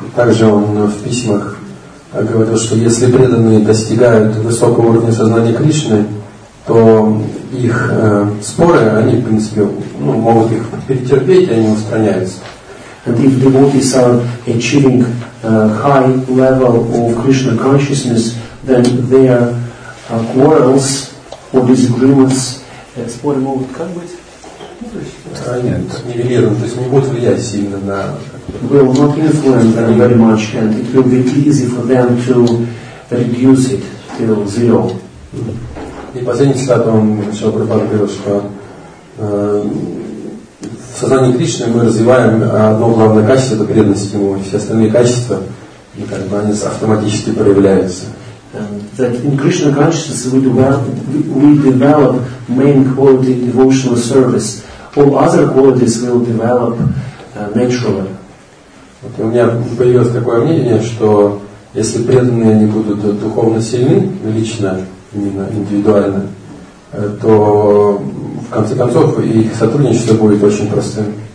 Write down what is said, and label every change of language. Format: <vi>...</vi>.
<ru>Также он в письмах говорил, что если преданные достигают высокого уровня сознания Кришны, то их споры, они, в принципе, могут их перетерпеть, и они устраняются.</ru> <en>And if devotees are achieving high level of Krishna consciousness, then their quarrels or disagreements.</en> <ru>Споры могут как быть? Нет, нивелирован, то есть не будет влиять сильно на.</ru> <en>Will not influence them very much, and it will be easy for them to reduce it till zero.</en> <ru>И последний цитат он все пропагандировал, что в сознании Кришны мы развиваем одно главное качество — это преданность ему. Все остальные качества, как бы, они автоматически проявляются.</ru> <en>That in Krishna consciousness we develop main quality devotional service. All other qualities will develop naturally.</en> <ru>Вот у меня появилось такое мнение, что если преданные не будут духовно сильны, лично, именно индивидуально, то в конце концов их сотрудничество будет очень простым.</ru>